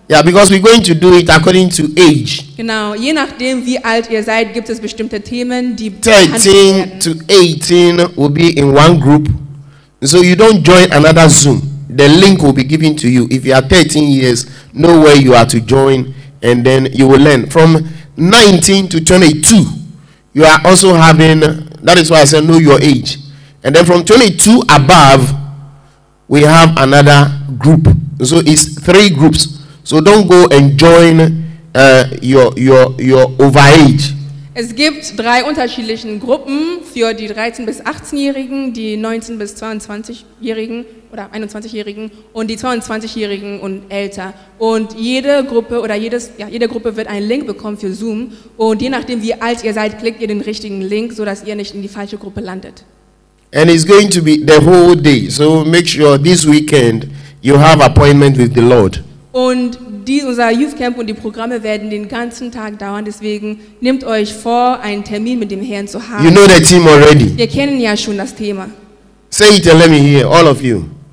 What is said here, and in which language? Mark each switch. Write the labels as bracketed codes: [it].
[en] Yeah, because we're going to do it according to age. [de] Genau, je nachdem wie alt ihr seid, gibt es bestimmte Themen, die [en] 13 to 18 will be in one group. So you don't join another Zoom. The link will be given to you. If you are 13 years, know where you are to join, and then you will learn. From 19 to 22, you are also having, that is why I said know your age. And then from 22 above, we have another group. So it's three groups. So don't go and join your overage. [de] Es gibt drei unterschiedlichen Gruppen für die 13- bis 18-Jährigen, die 19- bis 22-Jährigen oder 21-Jährigen und die 22-Jährigen und älter. Und jede Gruppe oder jede Gruppe wird einen Link bekommen für Zoom. Und je nachdem, wie alt ihr seid, klickt ihr den richtigen Link, sodass ihr nicht in die falsche Gruppe landet. [en] And it's going to be the whole day. So make sure this weekend you have appointment with the Lord. [de] Und unser Youth Camp und die Programme werden den ganzen Tag dauern, deswegen nehmt euch vor, einen Termin mit dem Herrn zu haben. [en] You know the team already. [de] Wir kennen ja schon das Thema. [en] Say it and let me hear, all of you.